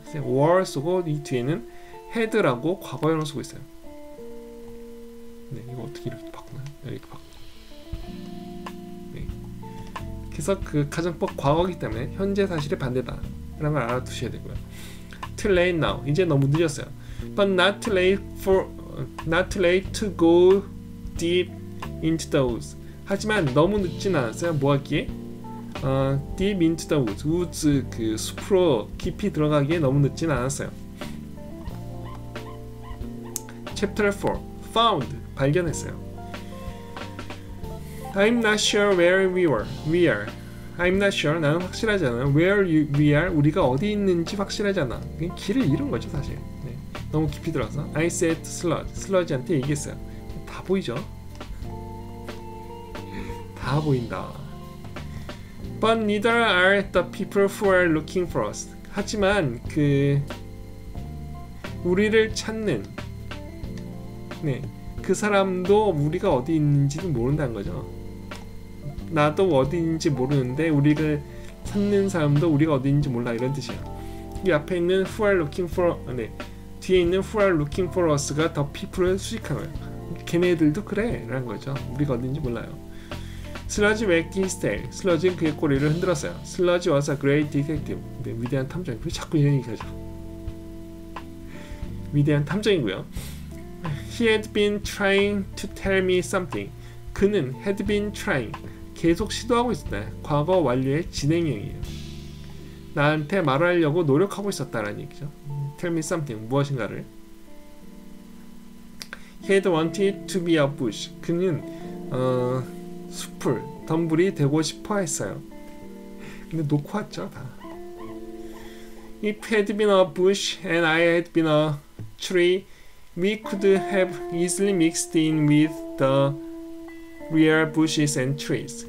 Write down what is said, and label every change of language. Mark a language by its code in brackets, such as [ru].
[ko] 그래서 were 쓰고 이 뒤에는 had라고 과거형을 쓰고 있어요. 네. 이거 어떻게 이렇게 바꾸나요? 이렇게 바꾸. 그래서 그 가정법 과거이기 때문에 현재 사실의 반대다 라는 걸 알아두셔야 되고요. [en] Too late now. [ko] 이제 너무 늦었어요. [en] But not too late for, not too late to go deep into the woods. [ko] 하지만 너무 늦진 않았어요. 뭐 하기에? [en] Deep into the woods. [ko] Woods 그 숲으로 깊이 들어가기에 너무 늦진 않았어요. [en] Chapter 4. Found. [ko] 발견했어요. [en] I'm not sure where we were. We are. I'm not sure. [ko] 나는 확실하지 않아. [en] Where you, we are. [ko] 우리가 어디 있는지 확실하지 않아. 길을 잃은 거죠, 사실. 네. 너무 깊이 들어서. [en] I said sludge. [ko] 슬러지한테 얘기했어요. 다 보이죠? 다 보인다. [en] But neither are the people who are looking for us. [ko] 하지만 그 우리를 찾는 네. 그 사람도 우리가 어디 있는지도 모른다는 거죠. 나도 어디인지 모르는데 우리를 찾는 사람도 우리가 어디인지 몰라, 이런 뜻이야. 이 앞에 있는 who are looking for, 네, 뒤에 있는 who are looking for us가 the people을 수식한 거예요. 걔네들도 그래 라는 거죠. 우리가 어디인지 몰라요. [en] Sludge wagged his tail. [ko] Sludge 그의 꼬리를 흔들었어요. [en] Sludge was a great detective. [ko] 네, 위대한 탐정. 왜 자꾸 이런 얘기 하죠? 위대한 탐정이고요. [en] He had been trying to tell me something. [ko] 그는 had been trying. 계속 시도하고 있었다. 과거 완료의 진행형이에요. 나한테 말하려고 노력하고 있었다라는 얘기죠. [en] Tell me something. [ko] 무엇인가를. [en] He had wanted to be a bush. [ko] 그는 숲을, 덤불이 되고 싶어 했어요. 근데 놓고 왔죠, 다. [en] If had been a bush and I had been a tree, we could have easily mixed in with the real bushes and trees.